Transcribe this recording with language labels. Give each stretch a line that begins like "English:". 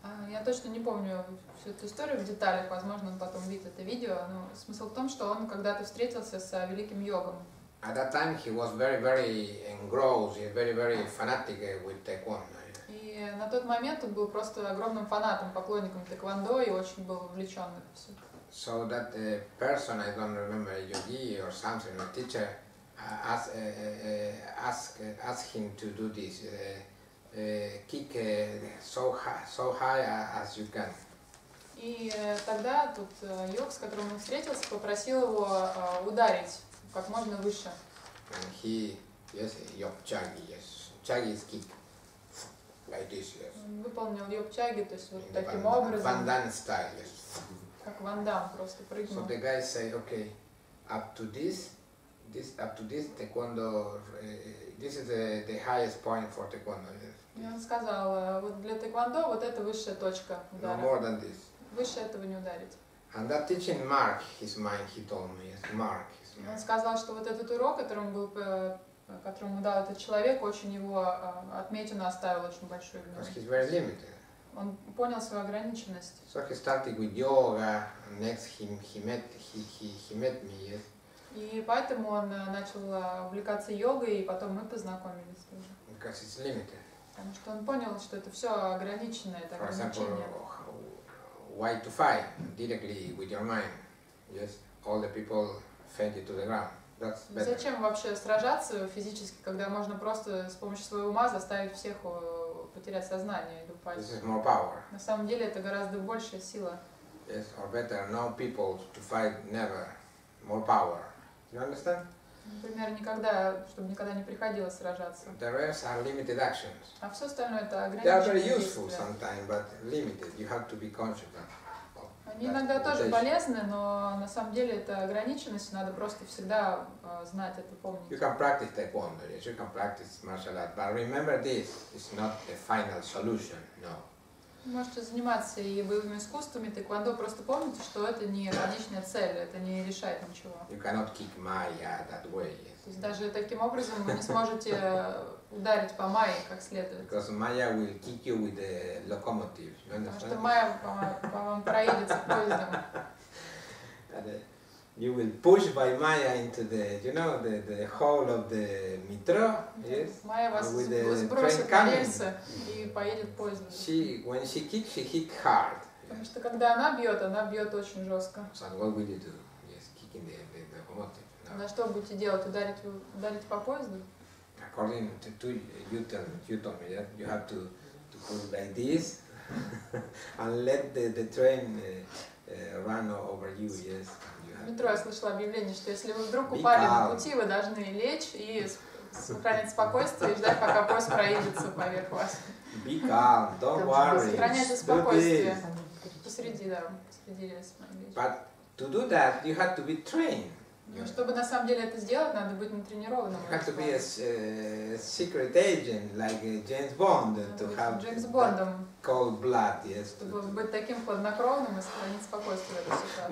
Russian: Я точно не помню всю эту историю в деталях, возможно, он потом увидит это видео, но смысл в том, что он когда-то встретился с великим йогом.
English: At that time he was very, very engrossed, very, very fanatic with taekwondo.
Russian: И на тот момент он был просто огромным фанатом, поклонником тэквондо и очень был увлечен в это все.
English: So that person, I don't remember, a yogi or something, a teacher, asked him to do this. Kick so high as you can.
Russian: И тогда тут йог, с которым он встретился, попросил его ударить как можно выше.
English: And he, yes, йог чаги, yes. Чаги is kick. Like this, yes.
Russian: Он выполнил йог чаги, то есть вот in таким образом.
English: Ван Дан style, yes.
Russian: Как Ван Дан, просто прыгнул.
English: So the guy say, okay, up to this taekwondo, this is the highest point for taekwondo, yes.
Russian: И он сказал, вот для тэквондо вот это высшая точка удара.
English: No more than this.
Russian: Выше этого не ударить.
English: And that teaching mark his mind, he told me, yes, mark his
Russian: Он сказал, что вот этот урок, который ему дал этот человек, очень его отметину оставил очень большой.
English: Because he's very limited.
Russian: Он понял свою ограниченность.
English: So he started with yoga. Next he met me. Yes.
Russian: И поэтому он начал увлекаться йогой, и потом мы познакомились тоже.
English: Because it's limited.
Russian: Потому что он понял, что это все ограничено, это ограничение.
English: For example, why to fight directly with your mind? Yes, all the people fainted to the ground. That's better.
Russian: Зачем вообще сражаться физически, когда можно просто с помощью своего ума заставить всех потерять сознание и упасть?
English: This is more power.
Russian: На самом деле это гораздо большая сила.
English: Yes, or better, no people to fight never. More power. You understand?
Russian: Например, никогда, чтобы никогда не приходилось сражаться.
English: The rest are limited actions.
Russian: А все остальное это ограниченные действия.
English: They are very useful sometimes, but limited. You have to be conscious of.
Russian: Они иногда тоже полезны, но на самом деле это ограниченность, надо просто всегда знать это, помнить.
English: You can practice taekwondo, yes, you can practice martial art, but remember this, it's not the final solution, no.
Russian: Можете заниматься и боевыми искусствами, таэквондо, просто помните, что это не конечная цель, это не решает ничего.
English: You cannot kick Maya that way, yes.
Russian: То есть даже таким образом вы не сможете ударить по Майе как следует.
English: Because Maya will kick you with the locomotive. You understand?
Russian: Потому что Майя по вам проедется поездом.
English: You will push by Maya into the, you know, the hole of the metro. Yes.
Russian: Майя вас сбросит на рельсы и поедет поездом.
English: When she kicks, she hits hard.
Russian: Потому что когда она бьет очень жестко.
English: So what will you do? Yes, kicking the locomotive.
Russian: На что будете делать? Ударить по поезду?
English: According to you told me that you have to put like this and let the train run over you, yes.
Russian: Метро, я слышала объявление, что если вы вдруг упали на пути, вы должны лечь и сохранять спокойствие и ждать, пока поезд проедется поверх вас.
English: Be calm, don't worry.
Russian: Сохраняйте спокойствие посреди рельса.
English: But to do that, you have to be trained.
Russian: Но чтобы на самом деле это сделать, надо быть натренированным.
English: You have to be a secret agent like James Bond to have
Russian: James Bondом.
English: Cold blood, yes.
Russian: Чтобы быть таким хладнокровным и сохранить спокойствие в этой ситуации.